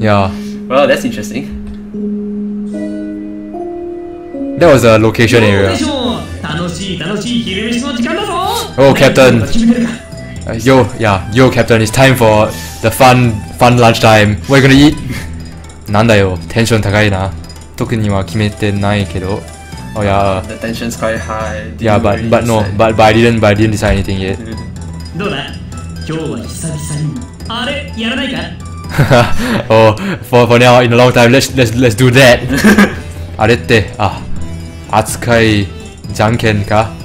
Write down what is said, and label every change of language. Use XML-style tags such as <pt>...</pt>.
<en>Yeah. Well, that's interesting. That was a location area. Oh, Captain! Yo, Captain, it's time for the fun lunch time. What are you gonna eat?</en> <ja>なんだよ、テンション高いな。特には決めてないけど。</ja> <en>Oh yeah. The tension's quite high.、Didn't、 yeah, but really but no, but I didn't decide anything yet.</en> <ja>どうだ、今日は久々にあれやらないか。</ja> <en>Oh, for now, in a long time, let's do that.</en> <ja>あれって、あ、扱いじゃんけんか。</ja>